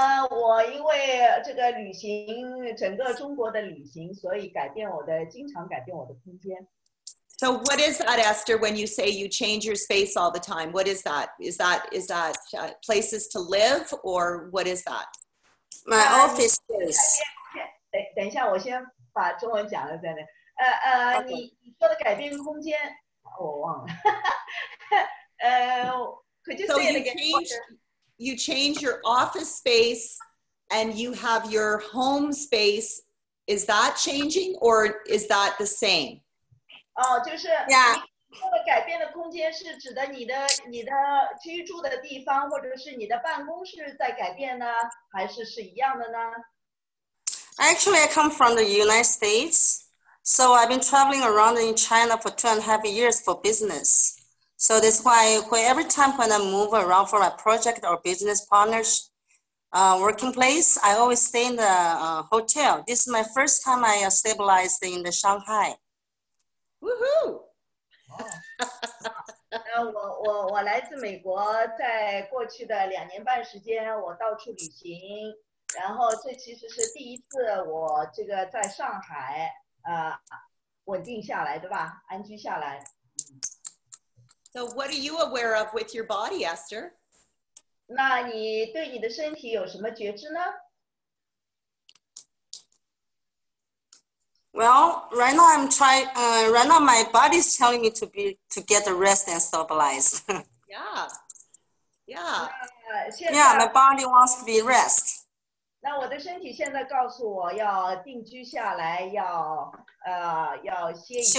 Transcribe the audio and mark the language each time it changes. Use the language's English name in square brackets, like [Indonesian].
[Chinese] 我因为这个旅行，整个中国的旅行，所以改变我的，经常改变我的空间。 [English] So what is that, Esther, when you say you change your space all the time? What is that? Is that places to live, or what is that? My office space. [Chinese] 等一下，我先把中文讲了再来。你说的改变空间，我忘了。 [English] could you say it again? You change your office space and you have your home space. Is that changing or is that the same? Oh, 就是 yeah. [Chinese] 你改变的空间是指的你的居住的地方或者是你的办公室在改变呢，还是是一样的呢？ [English] Actually, I come from the United States. So I've been traveling around in China for 2.5 years for business. So that's why every time when I move around for my project or business partner's working place, I always stay in the hotel. This is my first time I stabilized in the Shanghai. Woohoo! [Chinese] 我来自美国，在过去的两年半时间，我到处旅行。然后这其实是第一次我这个在上海稳定下来，对吧？安居下来。 [English] So what are you aware of with your body, Esther? [Chinese] 那你对你的身体有什么觉知呢？ [English] Well, right now I'm trying, right now my body's telling me to get the rest and stabilize. Yeah, my body wants to be rest. [Chinese] 那我的身体现在告诉我要定居下来，要歇一歇。